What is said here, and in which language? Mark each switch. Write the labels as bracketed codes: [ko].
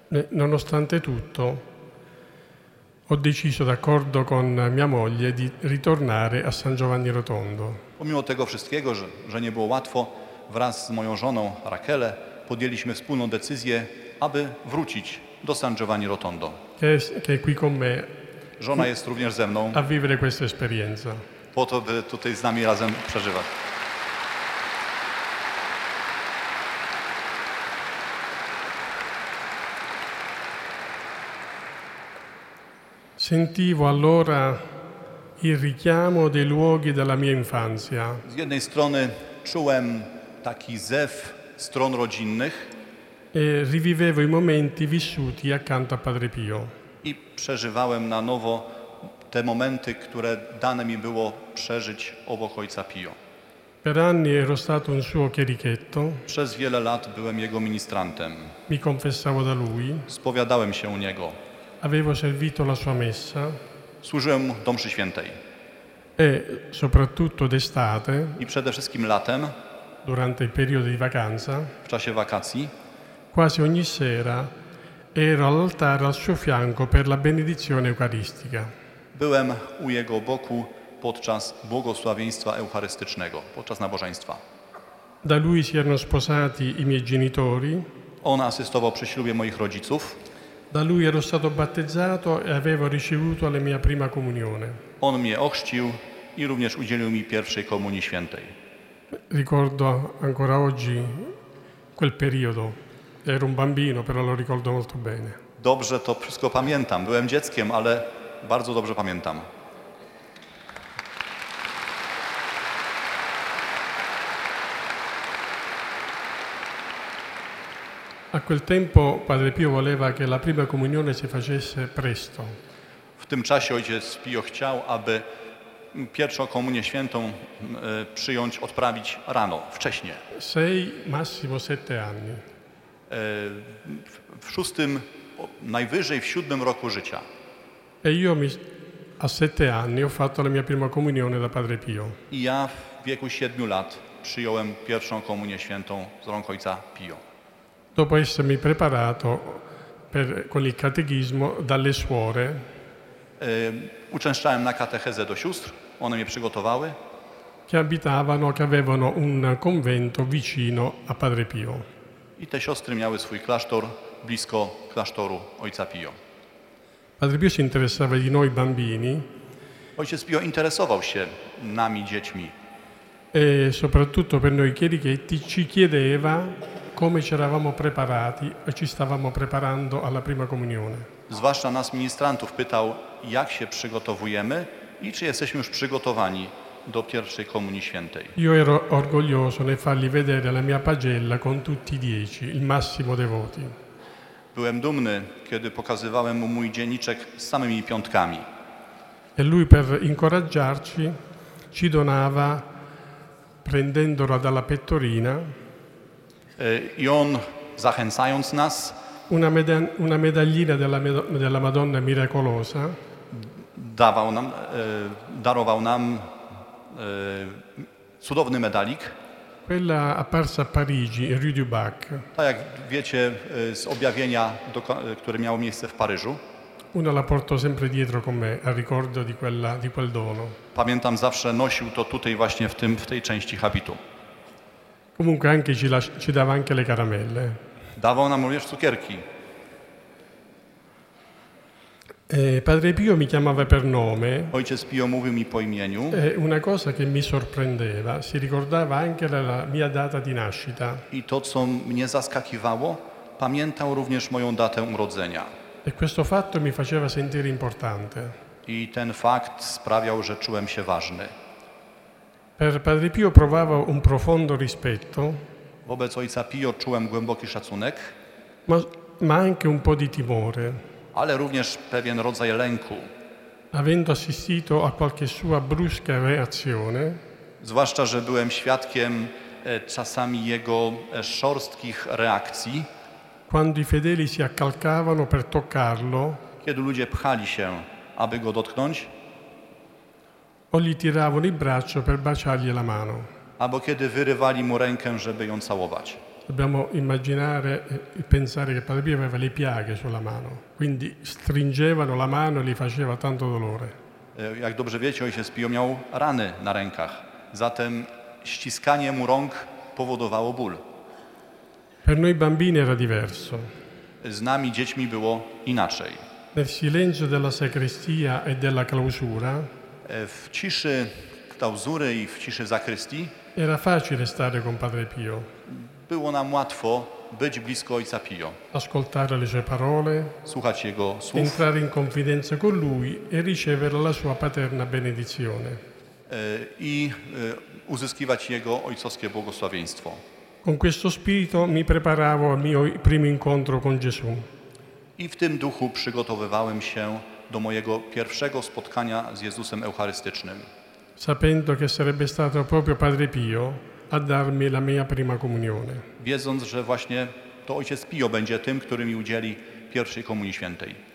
[it] Nonostante tutto, ho deciso d'accordo con mia moglie di ritornare a San Giovanni Rotondo. [pl] Pomimo tego wszystkiego, że nie było łatwo, wraz z moją żoną Rachele podjęliśmy wspólną decyzję, aby wrócić do San Giovanni Rotondo. [it] Che è qui con me. [pl] Żona jest również ze mną. [it] A vivere questa esperienza. [pl] Po to, by tutaj z nami razem przeżywać. [it] Sentivo allora il richiamo dei luoghi della mia infanzia. [pl] Z jednej strony czułem taki zew stron rodzinnych. [it] E rivivevo i momenti vissuti accanto a Padre Pio. [pl] I przeżywałem na nowo te momenty, które dane mi było przeżyć obok ojca Pio. [it] Per anni ero stato un suo chierichetto. [pl] Przez wiele lat byłem jego ministrantem. [it] Mi confessavo da lui. [pl] Spowiadałem się u niego. [it] Avevo servito la sua messa. [pl] Służyłem do mszy świętej. [it] E soprattutto d'estate. [pl] I przede wszystkim latem. [it] Durante il periodo di vacanza. [pl] W czasie wakacji. [it] Quasi ogni sera ero all'altare al suo fianco per la benedizione eucaristica. [pl] Byłem u jego boku podczas błogosławieństwa eucharystycznego, podczas nabożeństwa. [it] Da lui si erano sposati i miei genitori. [pl] On asystował przy ślubie moich rodziców. [it] Da lui ero stato battezzato e avevo ricevuto la mia prima comunione. [pl] On mnie ochrzcił i również udzielił mi pierwszej komunii świętej. [it] Ricordo ancora oggi quel periodo. Ero un bambino, però lo ricordo molto bene. [pl] Dobrze to wszystko pamiętam. Byłem dzieckiem, ale bardzo dobrze pamiętam. [it] A quel tempo Padre Pio voleva che la prima comunione si facesse presto. [pl] W tym czasie ojciec Pio chciał, aby pierwszą komunię świętą przyjąć, odprawić rano, wcześnie. [it] Sei, massimo sette anni. [pl] W szóstym, najwyżej w siódmym roku życia. [it] E io a sette anni ho fatto la mia prima comunione da Padre Pio. [pl] I ja w wieku siedmiu lat przyjąłem pierwszą komunię świętą z rąk ojca Pio. [it] Dopo essermi preparato per, con il catechismo dalle suore. [pl] Uczęszczałem na katechezę do sióstr, one mnie przygotowały. [it] Che abitavano, che avevano un convento vicino a Padre Pio. [pl] I te siostry miały swój klasztor blisko klasztoru ojca Pio. [it] Padre Pio si interessava di noi bambini. [pl] Ojciec Pio interesował się nami, dziećmi. [it] E soprattutto per noi chierichetti ci chiedeva come ci eravamo preparati e ci stavamo preparando alla prima comunione. [pl] Zwłaszcza nas ministrantów pytał, jak się przygotowujemy i czy jesteśmy już przygotowani do pierwszej komunii świętej. [it] Io ero orgoglioso nel fargli vedere la mia pagella con tutti i dieci, il massimo devoti. [pl] Byłem dumny, kiedy pokazywałem mu mój dzienniczek z samymi piątkami. [it] E lui per incoraggiarci ci donava prendendola dalla pettorina. [pl] I on, zachęcając nas, [it] una medaglina della Madonna Miracolosa, [pl] darował nam cudowny medalik. [it] Quella apparsa a Parigi, Rue du Bac. [pl] Tak jak wiecie z objawienia, które miało miejsce w Paryżu. [it] Una la porto sempre dietro con me, a ricordo di quella, di quel dono. [pl] Pamiętam, zawsze nosił to tutaj właśnie w tej części habitu. [it] Comunque anche ci dava anche le caramelle. [pl] Dawał nam również cukierki. [it] Padre Pio mi chiamava per nome. [pl] Ojciec Pio mówił mi po imieniu. [it] Una cosa che mi sorprendeva, si ricordava anche la mia data di nascita. [pl] I to, co mnie zaskakiwało, pamiętał również moją datę urodzenia. [it] E questo fatto mi faceva sentire importante. [pl] I ten fakt sprawiał, że czułem się ważny. [it] Per Padre Pio provavo un profondo rispetto. [pl] Wobec ojca Pio czułem głęboki szacunek. [it] Ma anche un po' di timore. [pl] Ale również pewien rodzaj lęku. [it] Avendo assistito a qualche sua brusca reazione. [pl] Zwłaszcza, że byłem świadkiem czasami jego szorstkich reakcji. [it] Quando i fedeli si accalcavano per toccarlo, [pl] kiedy ludzie pchali się, aby go dotknąć, [it] o gli tiravano il braccio per baciargli la mano, [pl] albo kiedy wyrywali mu rękę, żeby ją całować. [it] Dobbiamo immaginare e pensare che Padre Pio aveva le piaghe sulla mano, quindi stringevano la mano e gli faceva tanto dolore. [pl] Jak dobrze wiecie, ojciec Pio miał rany na rękach, zatem ściskanie mu rąk powodowało ból. [it] Per noi bambini era diverso. [pl] Z nami dziećmi było inaczej. [it] Nel silenzio della sacrestia e della clausura. [pl] W ciszy klauzury i w ciszy zakrystii. [it] Era facile stare con Padre Pio. [pl] Było nam łatwo być blisko ojca Pio. [it] Ascoltare le sue parole. [pl] Słuchać jego słów. [it] Entrare in confidenza con lui e ricevere la sua paterna benedizione. [pl] I uzyskiwać jego ojcowskie błogosławieństwo. [it] Con questo spirito mi preparavo al mio primo incontro con Gesù. [pl] I w tym duchu przygotowywałem się do mojego pierwszego spotkania z Jezusem Eucharystycznym. [it] Sapendo che sarebbe stato proprio Padre Pio a darmi la mia prima comunione. [pl] Wiedząc, że właśnie to ojciec Pio będzie tym, który mi udzieli pierwszej komunii świętej.